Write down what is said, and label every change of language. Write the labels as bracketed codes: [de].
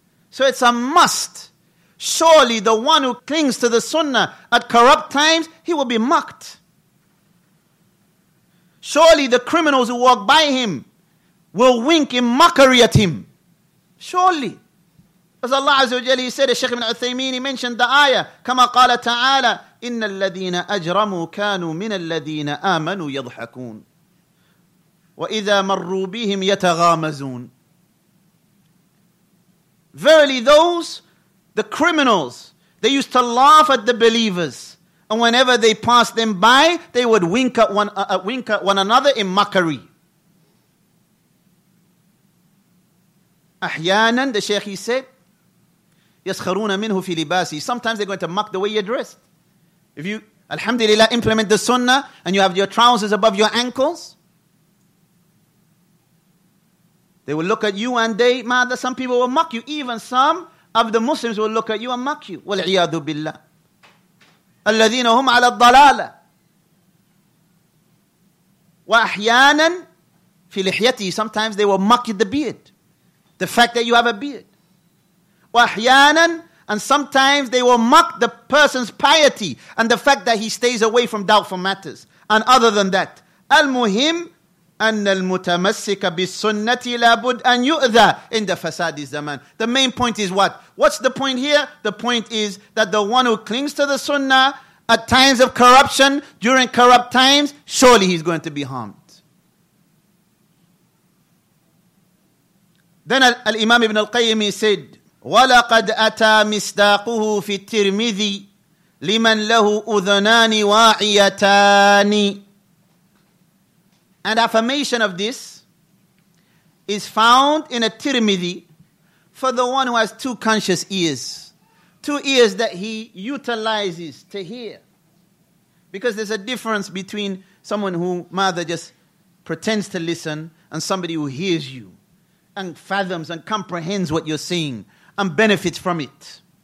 [en] So it's a must. Surely the one who clings to the sunnah at corrupt times, he will be mocked. Surely the criminals who walk by him will wink in mockery at him. Surely. As Allah Azza wa Jalla, he said, Shaykh ibn Uthaymeen, he mentioned the ayah, [ar] كَمَا قَالَ تَعَالَى إِنَّ الَّذِينَ أَجْرَمُوا كَانُوا مِنَ الَّذِينَ آمَنُوا يَضْحَكُونَ وَإِذَا مَرُّوا بِهِمْ يَتَغَامَزُونَ. [en] Verily those, the criminals, they used to laugh at the believers. And whenever they passed them by, they would wink at one another in mockery. [ar] أحياناً, [en] the Shaykh, he said, [ar] يَسْخَرُونَ مِنْهُ فِي لِبَاسِهِ. [en] Sometimes they're going to mock the way you're dressed. If you, alhamdulillah, implement the sunnah and you have your trousers above your ankles, they will look at you and they, mother, some people will mock you. Even some of the Muslims will look at you and mock you. [ar] وَالْعِيَادُ بِاللَّهِ الَّذِينَ هُمْ عَلَى الضَّلَالَةِ وَأَحْيَانًا فِي لِحْيَتِهِ. [en] Sometimes they will mock you the beard. The fact that you have a beard. وَأَحْيَانًا, and sometimes they will mock the person's piety and the fact that he stays away from doubtful matters. And other than that, [ar] المهم أن المتمسك بالسنة لابد أن يؤذى عند فساد الزمان. [en] The main point is what? What's the point here? The point is that the one who clings to the sunnah at times of corruption, during corrupt times, surely he's going to be harmed. Then Al-Imam Ibn Al-Qayyim said, [ar] وَلَقَدْ أَتَى مِسْدَاقُهُ فِي التِّرْمِذِي لِمَنْ لَهُ أُذْنَانِ وَاعِيَتَانِ. [en] And affirmation of this is found in a Tirmidhi for the one who has two conscious ears. Two ears that he utilizes to hear. Because there's a difference between someone who mother just pretends to listen and somebody who hears you and fathoms and comprehends what you're saying and benefits from it.